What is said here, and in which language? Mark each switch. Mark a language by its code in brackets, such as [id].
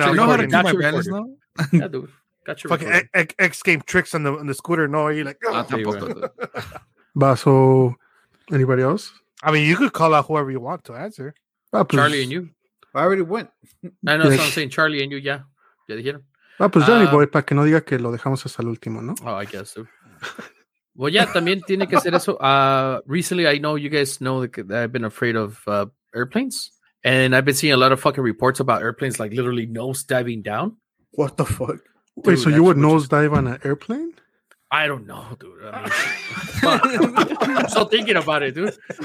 [en] it. You know how to do my balance now? Yeah, dude. Got your fucking X game tricks on the scooter. No, you're like, [es] oh. Tampoco, [en] Basso, anybody else? I mean, you could call out whoever you want to answer. Charlie and you. I already went. I know, so I'm saying Charlie and you, yeah. [es] Ya dijeron. Ah, pues Johnny Boy, para que no diga que lo dejamos hasta el último, ¿no? [en] Oh, I guess, dude. Well, yeah, [es] también tiene que ser eso. [en] Recently, I know you guys know that I've been afraid of airplanes. And I've been seeing a lot of fucking reports about airplanes, like, literally nosediving down. What the fuck? Dude, wait, so you would nosedive on an airplane? I don't know, dude. I mean, I'm still thinking about it, dude.